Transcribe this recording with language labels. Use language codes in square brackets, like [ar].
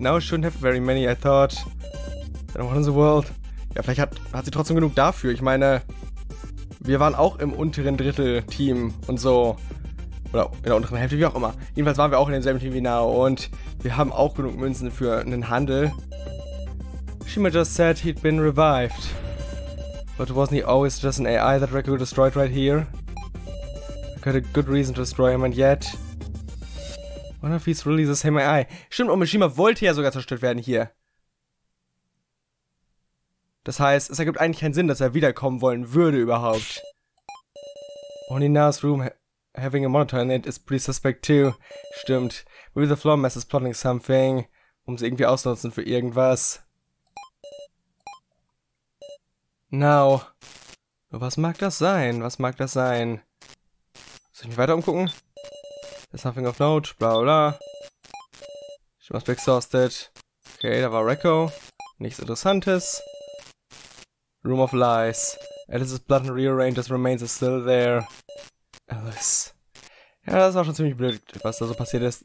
[en] Now it shouldn't have very many, I thought. Then what in the world? [de] Ja, vielleicht hat sie trotzdem genug dafür. Ich meine, wir waren auch im unteren Drittel-Team und so. Oder in der unteren Hälfte, wie auch immer. Jedenfalls waren wir auch in demselben Team wie Nao. Und wir haben auch genug Münzen für einen Handel. [en] Mishima just said he'd been revived. But wasn't he always just an AI that Rekko destroyed right here? I got a good reason to destroy him and yet... I wonder if he's really the same AI. [de] Stimmt, und Mishima wollte ja sogar zerstört werden hier. Das heißt, es ergibt eigentlich keinen Sinn, dass er wiederkommen wollen würde überhaupt. [en] Only Nao's room having a monitor in it is pretty suspect too. [de] Stimmt. [en] Maybe the floor mess is plotting something. [de] Um sie irgendwie auszunutzen für irgendwas. Now. Was mag das sein? Was mag das sein? Soll ich mich weiter umgucken? [en] There's something of note. [de] Bla bla. [en] She must be exhausted. [de] Okay, da war Rekko. Nichts Interessantes. Room of Lies. [en] Alice's blood and rearranges remains are still there. Alice. [de] Ja, das war schon ziemlich blöd, was da so passiert ist.